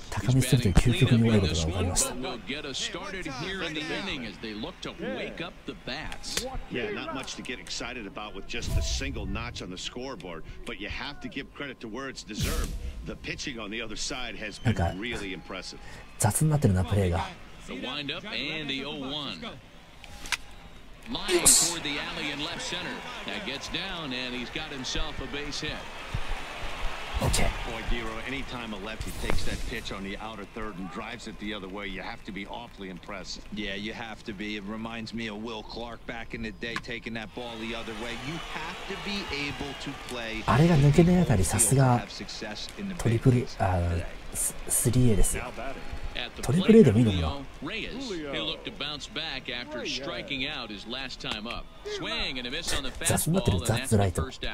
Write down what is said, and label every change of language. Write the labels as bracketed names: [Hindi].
[Japanese] 高めすぎて究極に悪いことが分かりました [English] We'll get us started here in the inning as they look to wake up the bats. Yeah, not much to get excited about with just a single notch on the scoreboard, but you have to give credit to where it's deserved. The pitching on the other side has been really impressive. [Japanese] 雑になってるな、プレーが。 [English] The windup and the 0-1. Line toward the alley in left center. That gets down, and he's got himself a base hit. Okay. Boy, Dero, anytime a lefty takes that pitch on the outer third and drives it the other way, you have to be awfully impressed. Yeah, you have to be. It reminds me of Will Clark back in the day taking that ball the other way. You have to be able to play. [Japanese] あれが抜けないあたり、さすがトリプル、あ、スリーエーですよ。トリプルエーでもいいのかな。 [English] He looked to bounce back after striking out his last time up. Swing and a miss on the fastball. [Japanese] 雑になってる、雑ライト。